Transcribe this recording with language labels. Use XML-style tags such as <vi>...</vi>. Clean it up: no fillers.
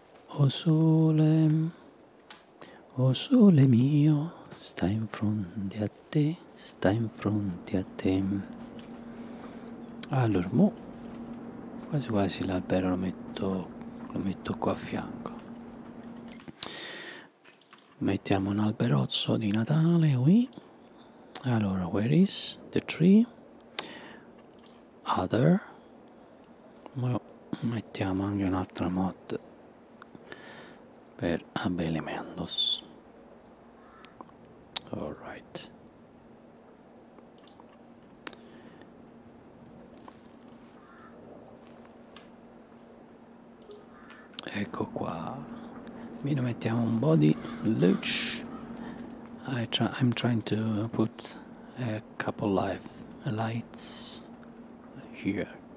<nap>O sole mio, sta in fronte a te, sta in fronte a te.</nap> <it>Allora, mo, quasi quasi l'albero lo metto qua a fianco. Mettiamo un alberozzo di Natale qui.</it> <en>Allora, where is the tree? Other.</en> <it>Mo, mettiamo anche un'altra mod per abbellimentos.</it> <en>All right.</en> <it>Ecco qua. Mi mettiamo un po' di luce.</it> <en>I'm trying to put a couple of lights here.</en>